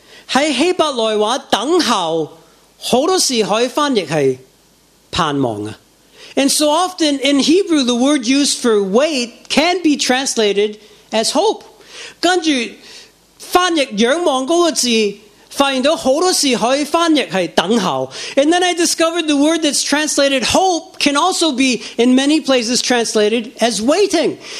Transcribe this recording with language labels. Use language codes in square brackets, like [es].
[zh] 在希伯来话等候, 很多时可以翻译是盼望。 [en] And so often in Hebrew, the word used for wait can be translated as hope. [zh] 根据翻译仰望那个字, 发现到很多时可以翻译是等候。 [en] And then I discovered the word that's translated hope can also be in many places translated as waiting.